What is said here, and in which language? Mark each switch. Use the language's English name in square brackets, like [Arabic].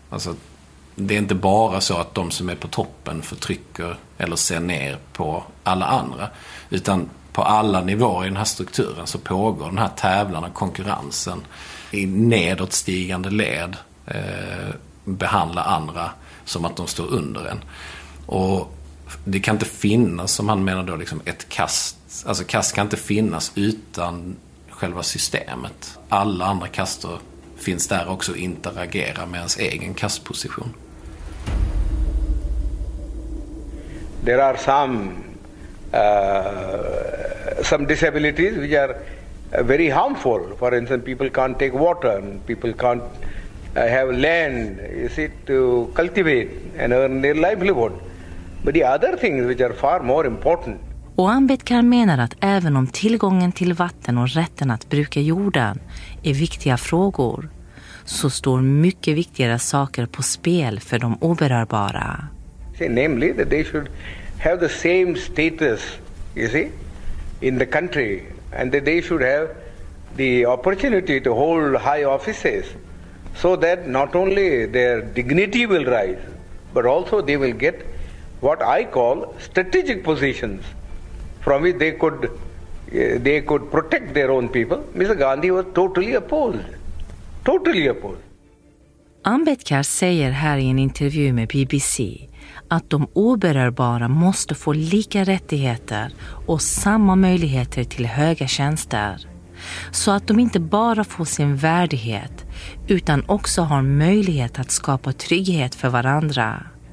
[Swedish] Alltså det är inte bara så att de som är på toppen förtrycker eller ser ner på alla andra, utan på alla nivåer i den här strukturen så pågår den här tävlan och konkurrensen i nedåtstigande led, behandla andra som att de står under en. Och det kan inte finnas, som han menar då, liksom ett kast. Alltså kast kan inte finnas utan själva systemet. Alla andra kaster finns där också och interagerar med ens egen kastposition. [English] There are some disabilities which are very harmful. For instance, people can't take water, and people can't have land, you see, to cultivate and earn their livelihood. But the other things which are far more important. [Swedish] Och Ambedkar menar att även om tillgången till vatten och rätten att bruka jorden är viktiga frågor, så står mycket viktigare saker på spel för de oberörbara. [English] See, namely that they should have the same status, you see, in the country, and that they should have the opportunity to hold high offices, so that not only their dignity will rise, but also they will get what I call strategic positions, from which they could protect their own people. Mr. Gandhi was totally opposed. Totally opposed. [Swedish] Ambedkar säger här i en intervju med BBC att de oberörbara måste få lika rättigheter och samma möjligheter till höga tjänster, så att de inte bara får sin värdighet utan också har möjlighet att skapa trygghet för varandra.